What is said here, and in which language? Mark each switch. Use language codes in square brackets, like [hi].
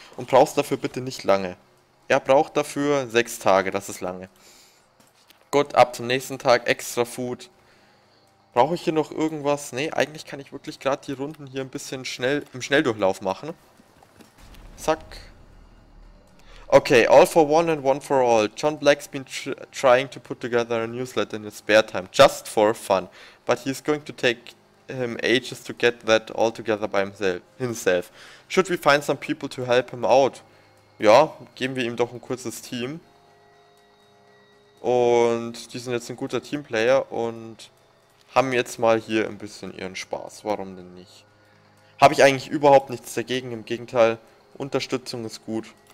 [de] Und brauchst dafür bitte nicht lange. Er braucht dafür 6 Tage, das ist lange. Gut, ab zum nächsten Tag, extra Food. Brauche ich hier noch irgendwas? Nee, eigentlich kann ich wirklich gerade die Runden hier ein bisschen schnell im Schnelldurchlauf machen. Zack. [en] Okay, all for one and one for all. John Black's been trying to put together a newsletter in his spare time, just for fun. But he's going to take him ages to get that all together by himself. Should we find some people to help him out? [de] Ja, geben wir ihm doch ein kurzes Team. Und die sind jetzt ein guter Teamplayer und haben jetzt mal hier ein bisschen ihren Spaß. Warum denn nicht? Habe ich eigentlich überhaupt nichts dagegen. Im Gegenteil, Unterstützung ist gut.